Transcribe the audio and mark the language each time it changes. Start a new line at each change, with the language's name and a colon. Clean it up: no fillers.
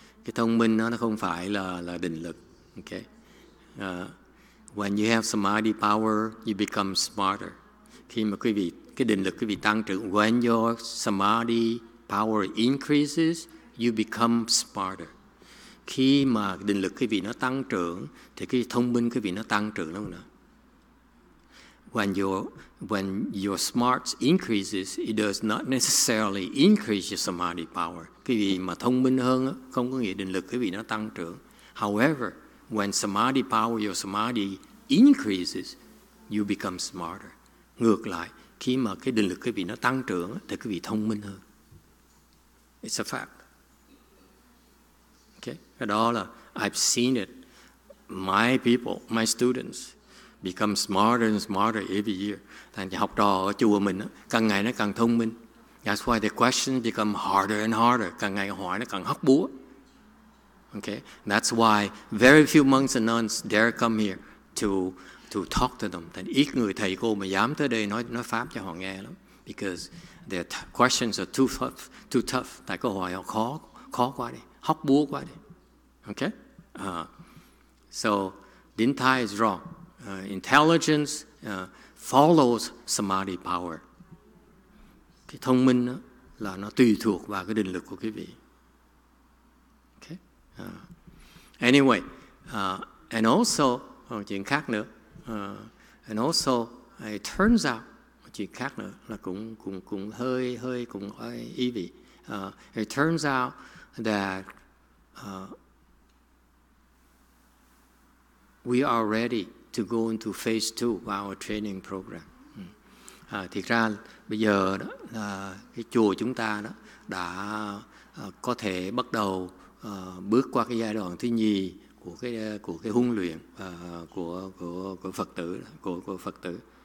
Vietnamese: Cái thông minh nó không phải là định lực. Okay.
English: When you have samadhi power, you become smarter.
Vietnamese: Khi mà quý vị, cái định lực quý vị tăng trưởng,
English: when your samadhi power increases, you become smarter.
Vietnamese: Khi mà định lực quý vị nó tăng trưởng, thì cái thông minh quý vị nó tăng trưởng luôn nữa.
English: When your smarts increases, it does not necessarily increase your samadhi power.
Vietnamese: Quý vị mà thông minh hơn, không có nghĩa định lực quý vị nó tăng trưởng.
English: However, when samadhi power, your samadhi increases, you become smarter.
Vietnamese: Ngược lại, khi mà cái định lực quý vị nó tăng trưởng, thì quý vị thông minh hơn.
English: It's a fact. Okay,
Vietnamese: cái đó là
English: I've seen it. My people, my students, become smarter and smarter every year.
Vietnamese: Thành học trò ở chùa mình, càng ngày nó càng thông minh.
English: That's why the questions become harder and harder.
Vietnamese: Càng ngày hỏi nó càng hóc búa.
English: Okay, that's why very few monks and nuns dare come here to talk to them.
Vietnamese: Thành ít người thầy cô mà dám tới đây nói pháp cho họ nghe lắm.
English: Because their questions are too tough.
Vietnamese: Tại câu hỏi họ khó quá đi, hóc búa quá đi.
English: Okay, so dintha is wrong. Intelligence follows samadhi power.
Vietnamese: Cái thông minh đó là nó tùy thuộc vào cái định lực của quý vị. Okay.
English: Anyway, and also
Vietnamese: chuyện khác nữa.
English: And also it turns out
Vietnamese: chuyện khác nữa là cũng hơi cũng ý vị.
English: It turns out that we are ready to go into phase 2 of our training program.
Vietnamese: Thì ra bây giờ đó là cái chùa chúng ta đó đã có thể bắt đầu bước qua cái giai đoạn thứ nhì của cái huấn luyện của Phật tử của Phật tử.